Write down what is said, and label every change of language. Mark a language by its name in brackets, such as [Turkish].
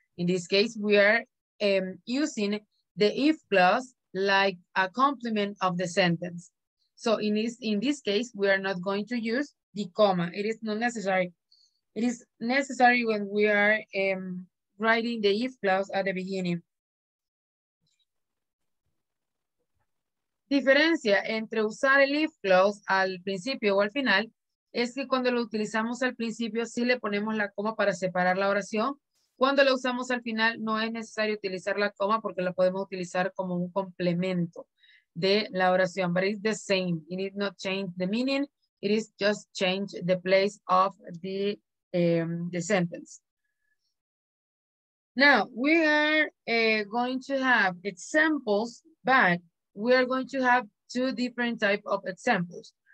[English] In this case, we are using the if clause like a complement of the sentence. So in this case, we are not going to use the comma. It is not necessary. It is necessary when we are writing the if clause at the beginning. [Spanish] Diferencia entre usar el if clause al principio o al final es que cuando lo utilizamos al principio sí le ponemos la coma para separar la oración. Cuando lo usamos al final, no es necesario utilizar la coma porque la podemos utilizar como un complemento de la oración. [English] But it's the same. It need not change the meaning. It is just change the place of the sentence. Now, we are going to have examples, but we are going to have two different types of examples.